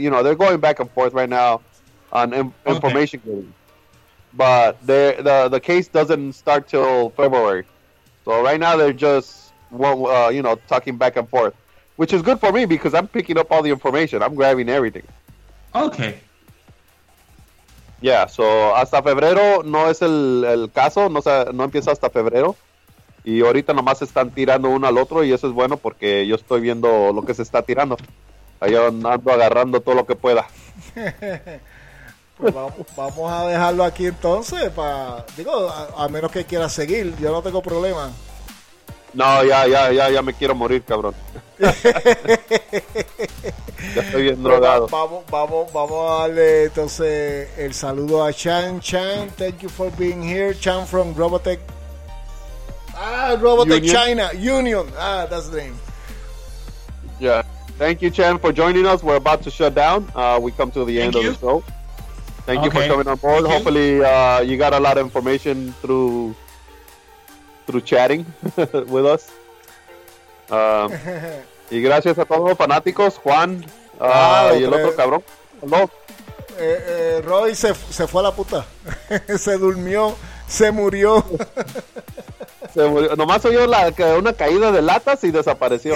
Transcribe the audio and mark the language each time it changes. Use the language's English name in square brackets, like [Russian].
[English] You know, they're going back and forth right now on information giving. But the case doesn't start till February. So right now they're just, talking back and forth. Which is good for me because I'm picking up all the information. I'm grabbing everything. Okay. [Spanish] Yeah, so hasta febrero no es el caso. No empieza hasta febrero. Y ahorita nomás están tirando uno al otro, y eso es bueno porque yo estoy viendo lo que se está tirando. Ahí ando agarrando todo lo que pueda. Pues vamos a dejarlo aquí entonces, a menos que quiera seguir, yo no tengo problema. No, ya me quiero morir, cabrón. Ya estoy bien drogado. Vamos a darle entonces el saludo a Chan, [English] thank you for being here, Chan from Robotech. Robotech China Union. That's the name. Yeah. Thank you, Chen, for joining us. We're about to shut down. We come to the end of the show. Thank you for coming on board. Thank Hopefully, you got a lot of information through chatting with us. [Spanish] y gracias a todos los fanáticos, Juan, y el otro cabrón. [English] Hello. [Spanish] Roy se fue a la puta. Se durmió. Se murió. Se murió. Nomás oyó una caída de latas y desapareció.